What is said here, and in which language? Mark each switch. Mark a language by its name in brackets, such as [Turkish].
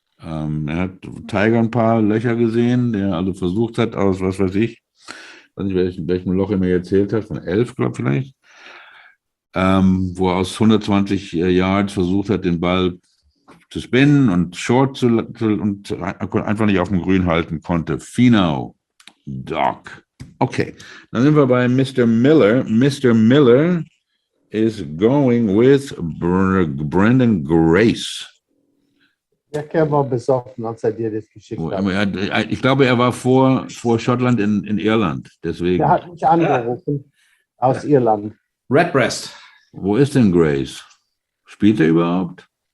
[German] Er hat Tiger ein paar Löcher gesehen, der also versucht hat, aus was weiß ich, welchem Loch er mir erzählt hat, von 11, glaube ich, vielleicht, wo er aus 120 Yards versucht hat, den Ball zu spinnen und short und einfach nicht auf dem Grün halten konnte. Finau. Doc. Okay, dann sind wir bei Mr. Miller. Mr. [English] Miller is going with Brandon Grace. [German] Der Kerl war besoffen, als er dir das geschickt hat. Ich glaube, er war vor Schottland in Irland. Deswegen. Der hat mich angerufen aus Irland. Redbreast. Wo ist denn Grace? Spielt er überhaupt?